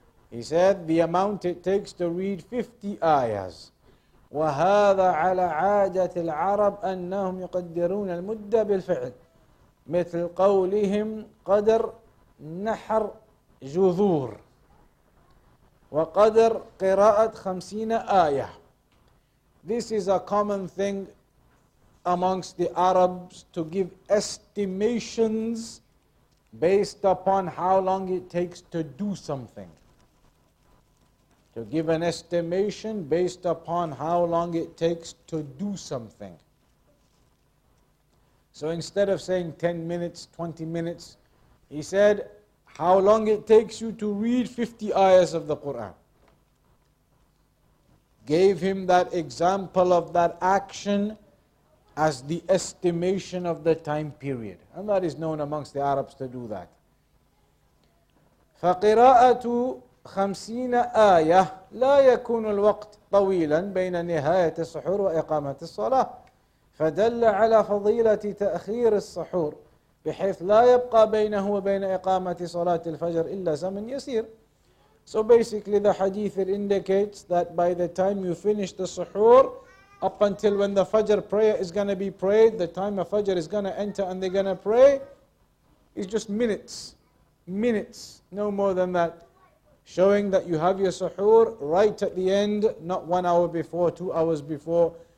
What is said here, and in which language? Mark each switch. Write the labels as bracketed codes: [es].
[en] He said the amount it takes to read 50 ayahs. [ar] وهذا على عادة العرب أنهم يقدرون المدة بالفعل مثل قولهم قدر نحر جذور وقدر قراءة 50 آية. [en] This is a common thing amongst the Arabs to give estimations based upon how long it takes to do something. To give an estimation based upon how long it takes to do something. So instead of saying 10 minutes, 20 minutes, he said, how long it takes you to read 50 ayahs of the Quran. Gave him that example of that action as the estimation of the time period. And that is known amongst the Arabs to do that. [ar] فَقِرَاءَةُ 50 آية لا يكون الوقت طويلا بين نهاية السحور وإقامة الصلاة، فدل على فضيلة تأخير السحور بحيث لا يبقى بينه وبين إقامة صلاة الفجر إلا زمن يسير. [en] So basically the hadith indicates that by the time you finish the suhoor up until when the Fajr prayer is going to be prayed, the time of Fajr is going to enter and they're going to pray, is just minutes, no more than that. showing that you have your suhoor right at the end, not 1 hour before, 2 hours before.